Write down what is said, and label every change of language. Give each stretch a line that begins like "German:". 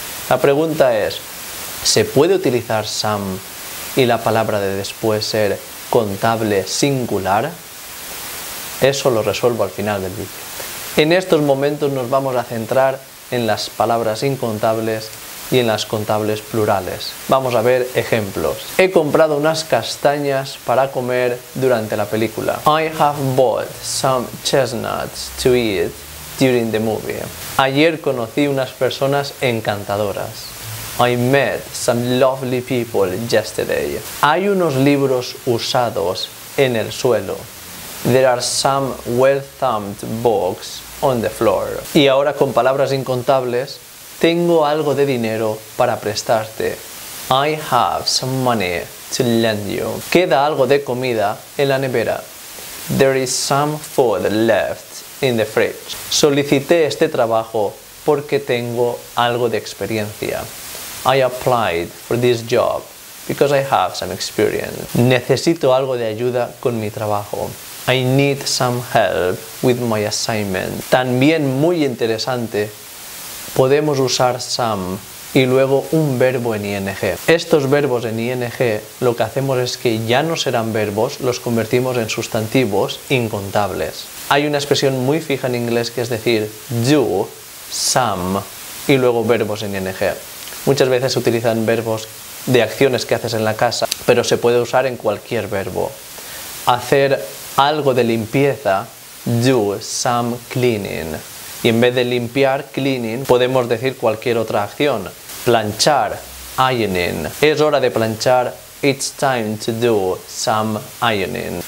Spanish: La pregunta es, ¿se puede utilizar some y la palabra de después ser contable singular? Eso lo resuelvo al final del vídeo. En estos momentos nos vamos a centrar en las palabras incontables y en las contables plurales. Vamos a ver ejemplos. He comprado unas castañas para comer durante la película.
English: I have bought some chestnuts to eat during the movie.
Spanish: Ayer conocí unas personas encantadoras.
English: I met some lovely people yesterday.
Spanish: Hay unos libros usados en el suelo.
English: There are some well-thumbed books on the floor.
Spanish: Y ahora con palabras incontables, tengo algo de dinero para prestarte.
English: I have some money to lend you.
Spanish: Queda algo de comida en la nevera.
English: There is some food left in the fridge.
Spanish: Solicité este trabajo porque tengo algo de experiencia.
English: I applied for this job because I have some experience.
Spanish: Necesito algo de ayuda con mi trabajo.
English: I need some help with my assignment.
Spanish: También muy interesante, podemos usar some y luego un verbo en ing. Estos verbos en ing lo que hacemos es que ya no serán verbos, los convertimos en sustantivos incontables. Hay una expresión muy fija en inglés que es decir do, some y luego verbos en ing. Muchas veces se utilizan verbos de acciones que haces en la casa, pero se puede usar en cualquier verbo. Hacer algo de limpieza,
English: do some cleaning.
Spanish: Y en vez de limpiar, cleaning, podemos decir cualquier otra acción. Planchar, ironing. Es hora de planchar,
English: it's time to do some ironing.